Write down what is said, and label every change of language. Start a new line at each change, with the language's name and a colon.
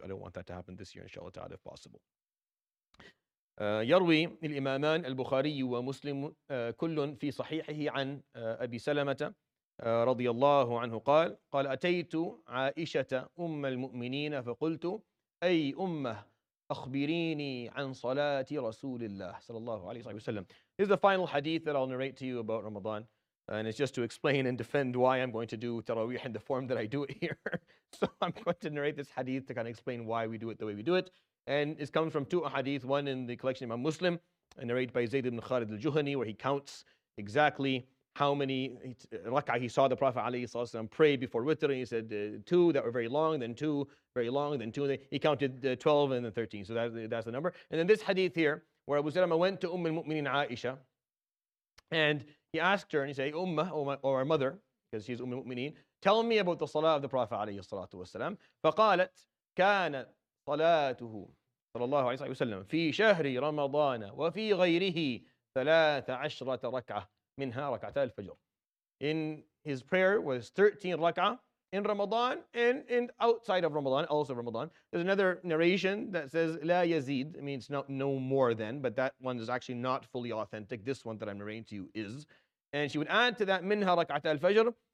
English: I don't want that to happen this year, inshallah ta'ala, if possible.
Arabic: يروي الإمامان البخاري ومسلم كل في صحيحه عن أبي سلمة رضي الله عنه قال أتيت عائشة أم المؤمنين فقلت أي أمة أخبريني عن صلاة رسول الله صلى الله عليه وسلم.
English: This is the final hadith that I'll narrate to you about Ramadan, and it's just to explain and defend why I'm going to do Taraweeh in the form that I do it here. So I'm going to narrate this hadith to kind of explain why we do it the way we do it. And it comes from two hadith, one in the collection of Imam Muslim, and narrated by Zayd ibn Khalid al-Juhani, where he counts exactly how many rak'ah he saw the Prophet ﷺ pray before witr, and he said two that were very long, then two very long, then two. He counted 12 and then 13, so that's the number. And then this hadith here, where Abu Salama went to Umm al-Mu'mineen Aisha, and he asked her, and he said, Ummah, or our mother, because she's Umm al-Mu'mineen, tell me about the salah of the Prophet ﷺ.
Arabic: فَقَالَتْ كَانَتْ صلاته صلى الله عليه وسلم في شهر رمضان وفي غيره 13 ركعة منها ركعتا الفجر.
English: In his prayer was 13 ركعة in Ramadan and outside of Ramadan, also Ramadan. There's another narration that says
Arabic: لا يزيد,
English: it means no more than, but that one is actually not fully authentic. This one that I'm narrating to you is. And she would add to that
Arabic: منها ركعتا الفجر.